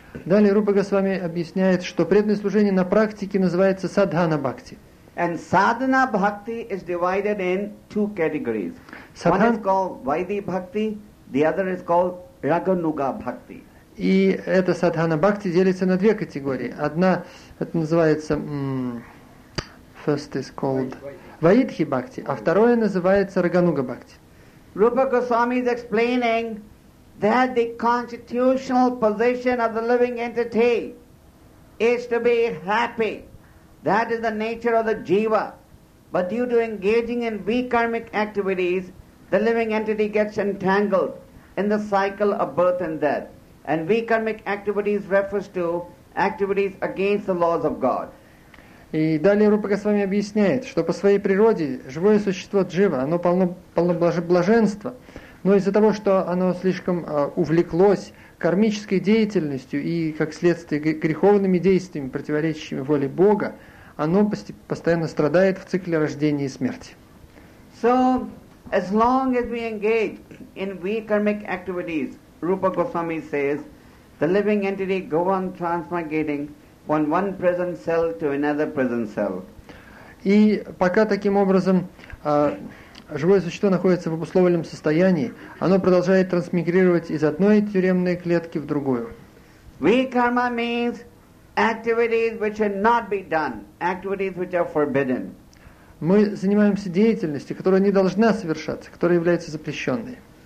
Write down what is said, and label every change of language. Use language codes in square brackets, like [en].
[ru] Далее Рупа Госвами объясняет, что преданное служение на практике называется садхана бхакти. [en] And sadhana bhakti is divided in two categories. Sadhan... One is called vaidhi bhakti, the other is called raganuga bhakti. [ru] И эта садхана бхакти делится на две категории. Одна это называется [en] first is called Vaidhi Bhakti, [ru] а второе называется Рагануга Бхакти. [en] Rupa Goswami is explaining that the constitutional position of the living entity is to be happy. That is the nature of the jiva. But due to engaging in vikarmic activities, the living entity gets entangled in the cycle of birth and death. And vikarmic activities refers to activities against the laws of God. [ru] И далее Рупа Госвами объясняет, что по своей природе живое существо джива, оно полно блаженства, но из-за того, что оно слишком увлеклось кармической деятельностью и, как следствие, греховными действиями, противоречащими воле Бога, оно постоянно страдает в цикле рождения и смерти. [en] So, as long as we engage in weak karmic activities, Rupa Goswami says, the living entity go on transmigrating from one prison cell to another prison cell. [ru] И пока таким образом живое существо находится в обусловленном состоянии, оно продолжает трансмигрировать из одной тюремной клетки в другую. [en] Weak karma means activities which should not be done, activities which are forbidden. [ru] Мы занимаемся деятельностью, которая не должна совершаться, которая является запрещенной.